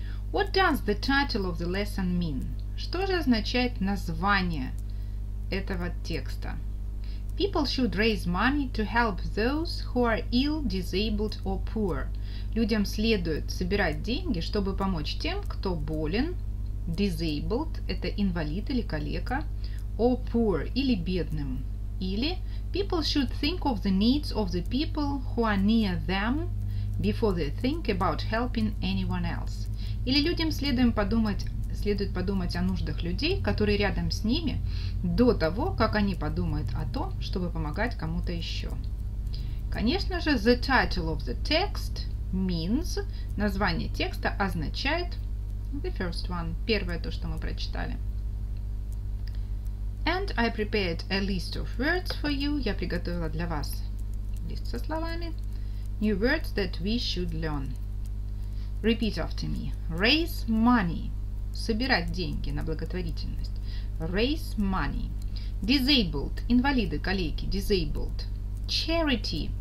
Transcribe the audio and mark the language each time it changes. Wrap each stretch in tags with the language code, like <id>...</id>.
<en>What does the title of the lesson mean?</en> <ru>Что же означает название этого текста?</ru> <en>People should raise money to help those who are ill, disabled or poor.</en> <ru>Людям следует собирать деньги, чтобы помочь тем, кто болен. Disabled – это инвалид или калека.</ru> <en>Or poor</en> <ru>– или бедным. Или</ru> <en>people should think of the needs of the people who are near them before they think about helping anyone else.</en> <ru>Или людям следует подумать о нуждах людей, которые рядом с ними, до того, как они подумают о том, чтобы помогать кому-то еще. Конечно же,</ru> <en>the title of the text means,</en> <ru>название текста означает</ru> <en>the first one,</en> <ru>первое то, что мы прочитали.</ru> <en>And I prepared a list of words for you.</en> <ru>Я приготовила для вас лист со словами.</ru> <en>New words that we should learn. Repeat after me. Raise money.</en> <ru>Собирать деньги на благотворительность.</ru> <en>Raise money. Disabled.</en> <ru>Инвалиды, калеки.</ru> <en>Disabled. Charity.</en>